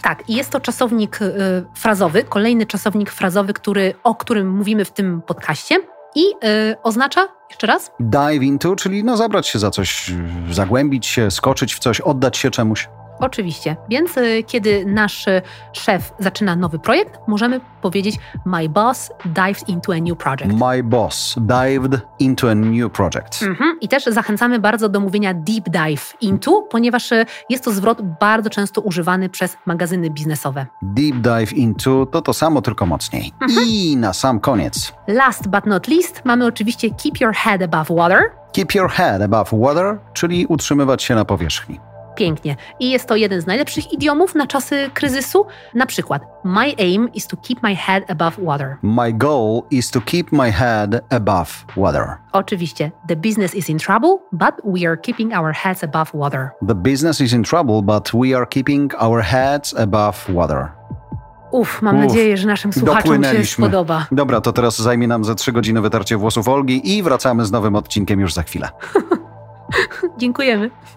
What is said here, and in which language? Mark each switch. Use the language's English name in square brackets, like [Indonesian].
[Polish] Tak, i jest to czasownik frazowy, kolejny czasownik frazowy, o którym mówimy w tym podcaście. I oznacza, jeszcze raz? Dive into, czyli no zabrać się za coś, zagłębić się, skoczyć w coś, oddać się czemuś. Oczywiście. Więc kiedy nasz szef zaczyna nowy projekt, możemy powiedzieć [English] my boss dived into a new project. My boss dived into a new project. Mm-hmm. [Polish] I też zachęcamy bardzo do mówienia [English] deep dive into, [Polish] ponieważ jest to zwrot bardzo często używany przez magazyny biznesowe. [English] Deep dive into [Polish] to samo, tylko mocniej. Mm-hmm. I na sam koniec. [English] Last but not least [Polish] mamy oczywiście [English] keep your head above water. Keep your head above water, [Polish] czyli utrzymywać się na powierzchni. Pięknie. I jest to jeden z najlepszych idiomów na czasy kryzysu. Na przykład, [English] my aim is to keep my head above water. My goal is to keep my head above water. [Polish] Oczywiście, [English] the business is in trouble, but we are keeping our heads above water. The business is in trouble, but we are keeping our heads above water. [Polish] Mam nadzieję, że naszym słuchaczom się spodoba. Dobra, to teraz zajmie nam ze 3 godziny wytarcie włosów Olgi i wracamy z nowym odcinkiem już za chwilę. Dziękujemy.